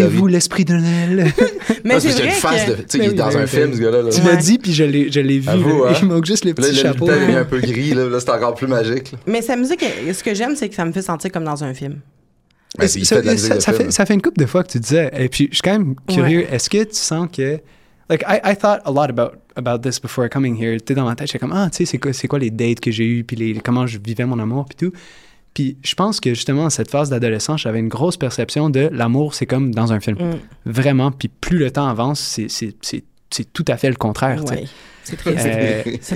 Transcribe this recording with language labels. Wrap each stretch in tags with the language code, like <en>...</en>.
<fr>Sentez-vous l'esprit de Noël. Mais c'est vrai que... Il est dans un film, ce gars-là. Tu l'as dit, puis je l'ai vu. Vous, hein? Il manque juste le petit chapeau. Le lutin est un peu gris, là. C'est encore plus magique. Là. Mais sa musique, ce que j'aime, c'est que ça me fait sentir comme dans un film. Ça fait une couple de fois que tu disais. Et puis, je suis quand même curieux. Ouais. Est-ce que tu sens que...</fr> <en>Like, I thought a lot about this before coming here.</en> <fr>T'es dans ma tête, j'étais comme, ah, tu sais, c'est quoi les dates que j'ai eues, puis comment je vivais mon amour, puis tout. Puis je pense que, justement, cette phase d'adolescence, j'avais une grosse perception de l'amour, c'est comme dans un film. Vraiment, puis plus le temps avance, c'est tout à fait le contraire, tu sais. Ouais. C'est très...</fr>